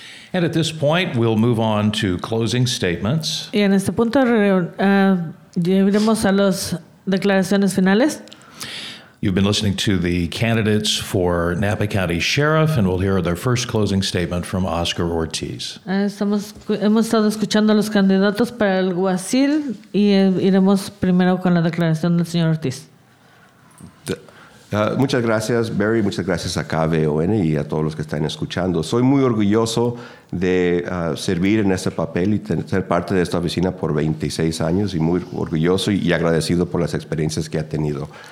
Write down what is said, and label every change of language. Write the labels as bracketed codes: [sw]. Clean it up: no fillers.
[en] And at this point, we'll move on to closing statements. [es] Y en este punto llegaremos a las declaraciones finales. [en] You've been listening to the candidates for Napa County Sheriff, and we'll hear their first closing statement from Oscar Ortiz. [es] Hemos estado escuchando a los candidatos para el alguacil, y iremos primero con la declaración del señor Ortiz. Muchas gracias, Barry. Muchas gracias a KVON y a todos los que están escuchando. Soy muy orgulloso de servir en este papel y ser parte de esta oficina por 26 años, y muy orgulloso y agradecido por las experiencias que ha tenido.